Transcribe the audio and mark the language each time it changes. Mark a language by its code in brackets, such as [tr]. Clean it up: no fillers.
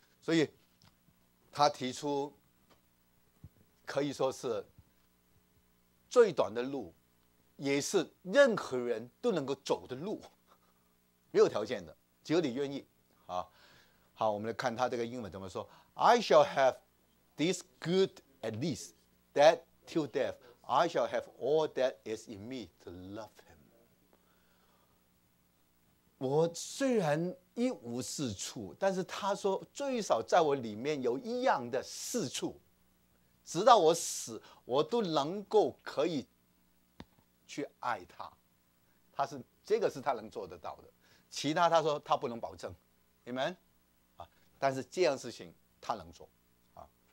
[zh] 所以他提出可以说是最短的路，也是任何人都能够走的路，没有条件的，只有你愿意。好，我们来看他这个英文怎么说。 [en] I shall have this good at least, that till death I shall have all that is in me to love him. [zh] 我虽然一无是处，但是他说最少在我里面有一样的是处，直到我死我都能够可以去爱他。他是这个是他能做得到的，其他他说他不能保证，你们啊，但是这样事情他能做啊。